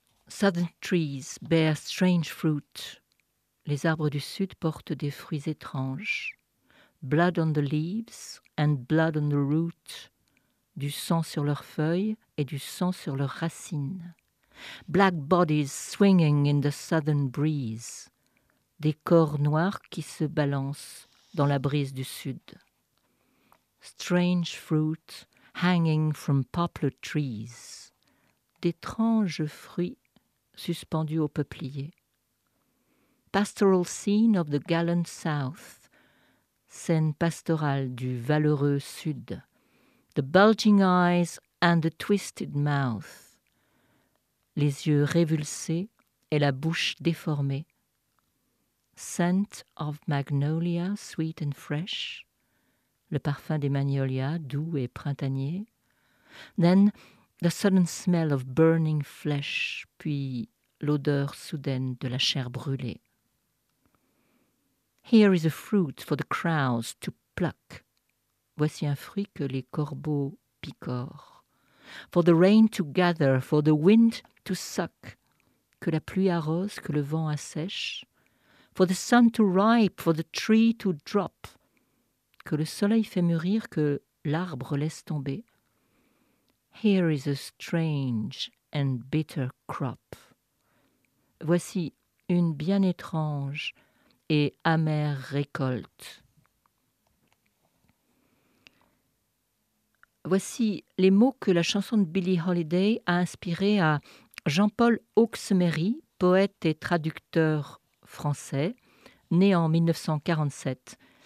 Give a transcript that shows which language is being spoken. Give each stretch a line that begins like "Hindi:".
English: Southern trees bear strange fruit.
French: Les arbres du sud portent des fruits étranges.
English: Blood on the leaves and blood on the root.
French: du sang sur leurs feuilles et du sang sur leurs racines.
English: Black bodies swinging in the southern breeze.
French: Des corps noirs qui se balancent dans la brise du sud.
English: Strange fruit hanging from poplar trees.
French: D'étranges fruits suspendus aux peupliers.
English: Pastoral scene of the gallant south.
French: Scène pastorale du valeureux sud.
English: The bulging eyes and the twisted mouth.
French: Les yeux révulsés et la bouche déformée.
English: Scent of magnolia, sweet and fresh.
French: Le parfum des magnolias, doux et printanier.
English: Then the sudden smell of burning flesh.
French: Puis l'odeur soudaine de la chair brûlée.
English: Here is a fruit for the crows to pluck.
French: Voici un fruit que les corbeaux picorent.
English: For the rain to gather, for the wind to suck,
French: que la pluie arrose, que le vent assèche,
English: for the sun to ripe, for the tree to drop,
French: que le soleil fait mûrir, que l'arbre laisse tomber.
English: Here is a strange and bitter crop.
French: Voici une bien étrange et amère récolte. Voici les mots que la chanson de Billie Holiday a inspiré à Jean-Paul Auxmery, poète et traducteur français, né en 1947.